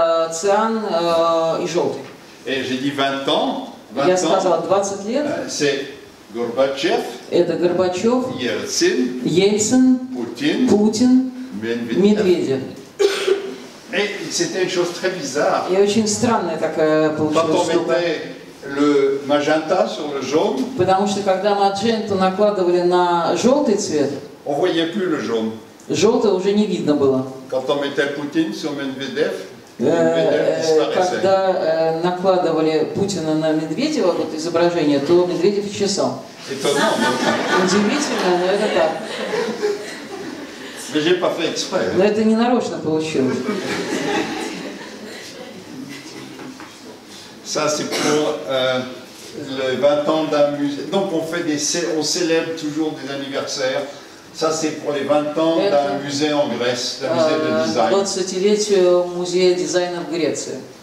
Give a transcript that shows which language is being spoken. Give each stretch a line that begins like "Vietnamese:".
Russian: Cyan и желтый.
French: Et j'ai dit 20 ans,
Russian: 20 лет.
French: C'est Горбачев.
Russian: Это Горбачев, Ельцин, Путин, Медведев.
French: C'était une chose très bizarre.
Russian: И очень странная такая получилась штука.
French: Quand on mettait le magenta sur le jaune.
Russian: Потому что когда мадженту накладывали на желтый цвет.
French: On voyait plus le jaune.
Russian: Желтое уже не видно было.
French: Quand on mettait Poutine sur Medvedev.
Russian: Когда накладывали Путина на Медведева вот изображение, то Медведев исчезал. Удивительно, но это так.
French: Mais j'ai pas fait exprès.
Russian: Но это не нарочно получилось.
French: Ça c'est pour les 20 ans d'un musée. Donc on fait des on célèbre toujours des anniversaires. Ça c'est pour les 20 ans d'un musée en Grèce, d'un musée de design.
Russian: 20-летие музея дизайна в Греции.